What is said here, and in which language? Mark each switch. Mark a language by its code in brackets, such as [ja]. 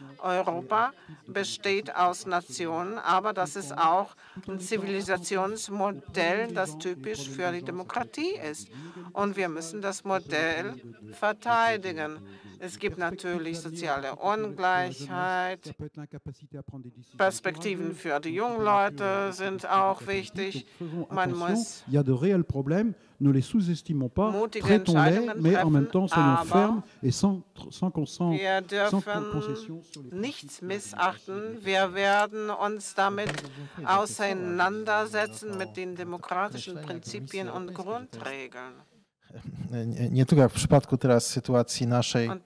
[de] Europa besteht aus Nationen, aber das ist auch ein Zivilisationsmodell, das typisch für die Demokratie ist. Und wir müssen das Modell verteidigen. Es gibt natürlich soziale Ungleichheit. Perspektiven für die jungen Leute sind auch wichtig. Man muss [fr] ne les sous-estimons pas, traitons-les, mais en même temps, soyons fermes et sans consent, sans concession. [de] Wir dürfen nichts missachten. Wir werden uns damit auseinandersetzen mit den demokratischen Prinzipien und Grundregeln. [pl] Nie tylko jak w przypadku teraz sytuacji naszej.